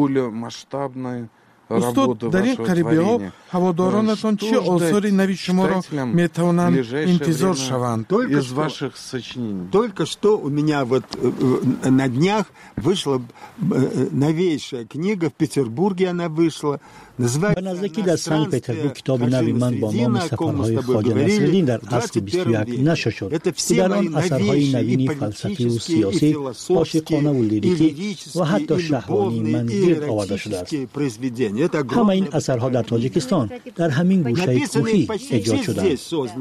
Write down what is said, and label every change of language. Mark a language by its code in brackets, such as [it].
[fa] استاد، در این قریبی ها هوادارانتان چه آثاری نوی شما را می توانند انتظار شوند؟ از [ru] ваших сочинений. Только что у меня вот на днях вышла новейшая книга в Петербурге, она вышла. [fa] به نزدیکی در سنگ پیتربورگ کتاب نوی من با نام سفرهای خواجه نصیرالدین در عصر 21 نشر شد که در آن اثرهای نوینی فلسفی و سیاسی، عاشقانه و لیریکی و حتی شهوانی من گرد آورده شده است. همه این اثرها در تاجیکستان در همین گوشه کوهی ایجاد شده است.